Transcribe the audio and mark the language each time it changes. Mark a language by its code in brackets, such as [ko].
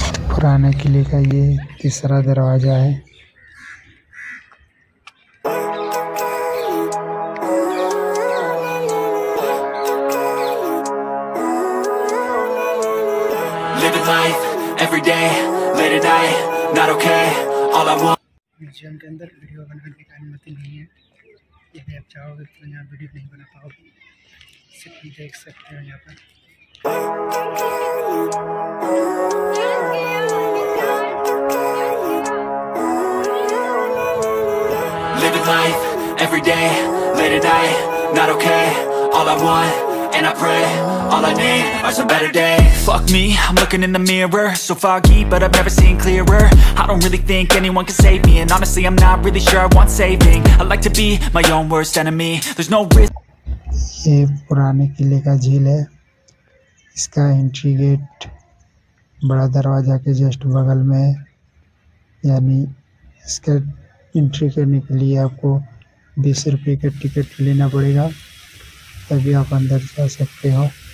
[hi] Purane Qila ka ye tisra darwaja hai. [en] Living life, every day, late at night, not okay. All I want. [hi] Museum के अंदर video बनाने की time मत नहीं है. यदि आप चाहोगे तो यहाँ वीडियो नहीं बना पाओगे, सिर्फ देख सकते हो यहाँ पर. [en] Living life, every day, late at night, not okay. All I want, and I pray, all I need are some better days. Fuck me, I'm looking in the mirror. So foggy, but I've never seen clearer. I don't really think anyone can save me. And honestly, I'm not really sure I want saving. I like to be my own worst enemy. There's no risk. [hi] ये पुराने किले का झील है. इसका entry gate बड़ा दरवाजा के जस्ट बगल में है. यानी इसके एंट्री करने के लिए आपको 20 रुपये का टिकट लेना पड़ेगा, तभी आप अंदर जा सकते हो.